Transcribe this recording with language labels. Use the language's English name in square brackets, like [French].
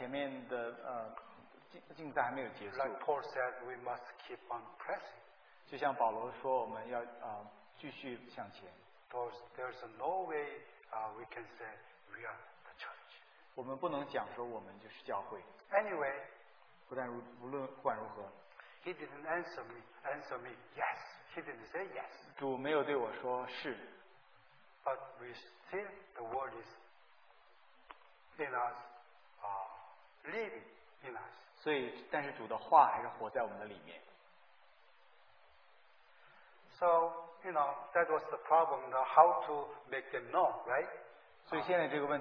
[Chinese] 因为在我们前面的竞赛还没有结束。 [English] Like Paul said, we must keep on pressing. [Chinese] 就像保罗说，我们要继续向前。 [English] There's no way we can say we are the church. [Chinese] 我们不能讲说我们就是教会。 [English] Anyway, [Chinese] 不管如何， [English] He didn't answer me. Yes, He didn't say yes. [Chinese] 主没有对我说是。 [English] But we still, the word is in us, living in us. [Chinese] 所以，但是主的话还是活在我们的里面。 [English] So, you know, that was the problem, how to make them know, right?